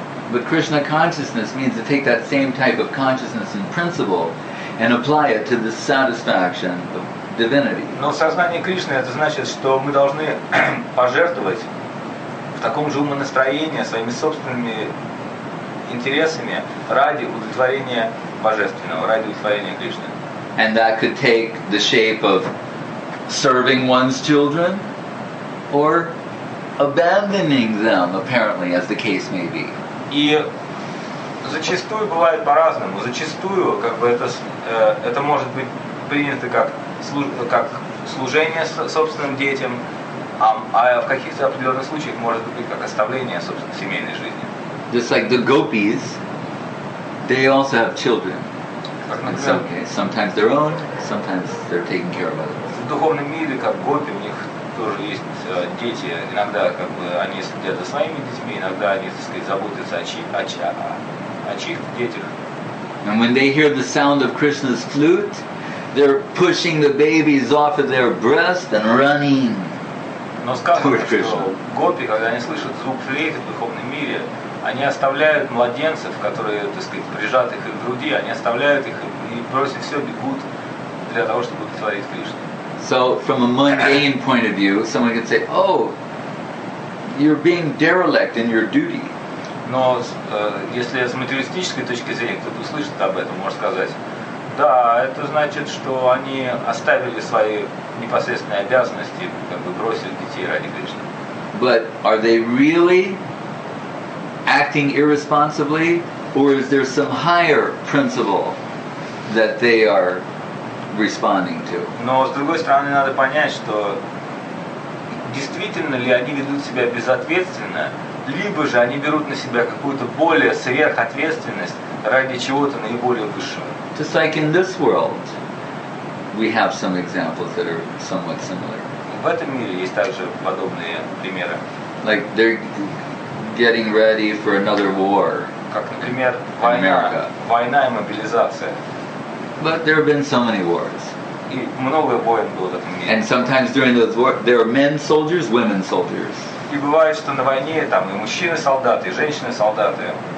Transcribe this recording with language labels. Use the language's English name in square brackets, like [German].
[English] But Krishna consciousness means to take that same type of consciousness and principle and apply it to the satisfaction of divinity. [Russian] Но сознание Кришны это значит, что мы должны пожертвовать в таком же умонастроении своими собственными интересами ради удовлетворения божественного, ради удовлетворения Кришны. [English] And that could take the shape of serving one's children or abandoning them, apparently, as the case may be. [Russian] И зачастую бывает по-разному. Зачастую, как бы это может быть принято как служение собственным детям, а в каких-то определенных случаях может быть как оставление собственной семейной жизни. [English] Just like the gopis, they also have children. In some cases, sometimes their own, sometimes they're taking care of others. [Russian] В духовном мире, как гопи, у них тоже есть дети, иногда как бы они следят за своими детьми, иногда они, так сказать, заботятся о чьих детях. [English] And when they hear the sound of Krishna's flute, they're pushing the babies off of their breast and running. [Russian] Но сказано, что гопи, когда они слышат звук флейты в духовном мире, они оставляют младенцев, которые, так сказать, прижат их к груди, они оставляют их и бросят все, бегут для того, чтобы удовлетворить Кришну. [English] So, from a mundane point of view, someone could say, oh, you're being derelict in your duty. [Russian] Но если с материалистической точки зрения кто-то услышит об этом, может сказать, да, это значит, что они оставили свои непосредственные обязанности, как бы бросили детей ради Кришны. [English] But are they really acting irresponsibly, or is there some higher principle that they are responding to? [Russian] Но с другой стороны, надо понять, что действительно ли они ведут себя безответственно, либо же они берут на себя какую-то более сверхответственность ради чего-то наиболее высшего. [English] Just like in this world, we have some examples that are somewhat similar. [Russian] В этом мире есть также подобные примеры. [English] Like they're getting ready for another war. [Russian] Как, например, война и мобилизация. [English] But there have been so many wars. [Russian] И много войн было в этом мире. [English] And sometimes during those wars, there are men soldiers, women soldiers. [Russian] И бывает, что на войне там и мужчины солдаты, и женщины солдаты.